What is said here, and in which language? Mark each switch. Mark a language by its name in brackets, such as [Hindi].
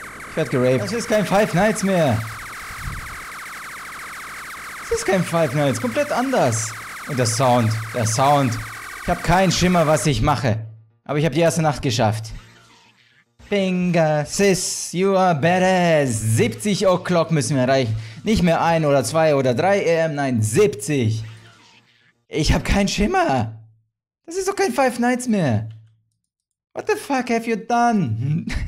[German] Ich werd geraped. Es ist kein Five Nights mehr. Das ist kein Five Nights, komplett anders. Und der Sound. Ich habe keinen Schimmer, was ich mache. Aber ich habe die erste Nacht geschafft. [English] Binga, sis, you are badass. [German] 70 O'Clock müssen wir erreichen. Nicht mehr 1 oder 2 oder 3 AM, nein, 70. Ich habe keinen Schimmer. Das ist doch kein Five Nights mehr. [English] What the fuck have you done?